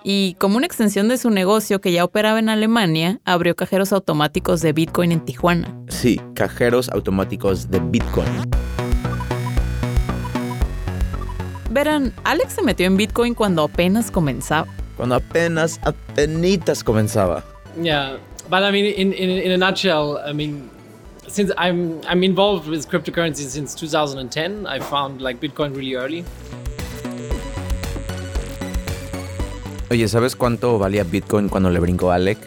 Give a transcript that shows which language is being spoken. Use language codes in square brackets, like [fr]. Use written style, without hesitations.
[es] Y como una extensión de su negocio que ya operaba en Alemania, abrió cajeros automáticos de Bitcoin en Tijuana. Sí, cajeros automáticos de Bitcoin. Verán, Alec se metió en Bitcoin cuando apenas comenzaba. Cuando apenas comenzaba. [en] Yeah, but I mean, in a nutshell, I mean, since I'm involved with cryptocurrency since 2010, I found like Bitcoin really early. [es] Oye, ¿sabes cuánto valía Bitcoin cuando le brincó a Alec?